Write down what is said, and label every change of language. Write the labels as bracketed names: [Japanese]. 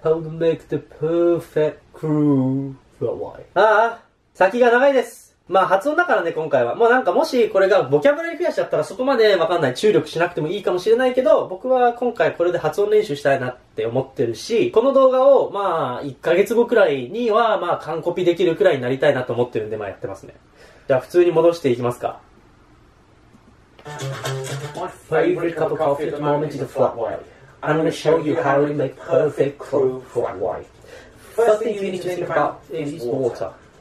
[English] How to make the perfect crew? But why? [Japanese] ああ、先が長いです。まあ発音だからね、今回は。もうなんかもしこれがボキャブラリー増やしちゃったらそこまでわかんない。注力しなくてもいいかもしれないけど、僕は今回これで発音練習したいなって思ってるし、この動画をまあ1ヶ月後くらいにはまあ完コピできるくらいになりたいなと思ってるんで、まあやってますね。じゃあ普通に戻していきますか。 [English] My favorite cup of coffee at the moment is a flat white. I'm gonna show you how to make perfect crew flat white. First thing you need to think about is water.